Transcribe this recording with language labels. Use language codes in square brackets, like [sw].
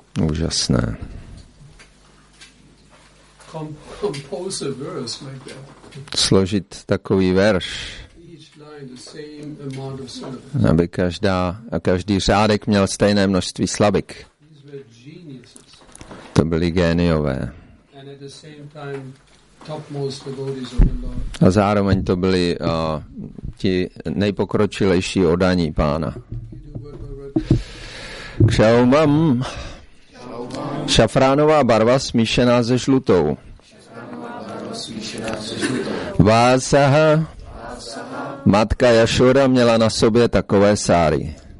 [cs] Úžasné. [en] Compose a verse like that. [cs] Složit takový verš. [en] Each line the same amount of syllables. [cs] Aby každý řádek měl stejné množství slabik. [en] These were geniuses. [cs] To byli géniové. [en] And at the same time, topmost devotees of the Lord. [cs] A zároveň to byli ti nejpokročilejší oddaní pána. Kšaumam. Šafránová barva smíšená se žlutou. Vásaha. Matka Jašoda měla na sobě takové sáry.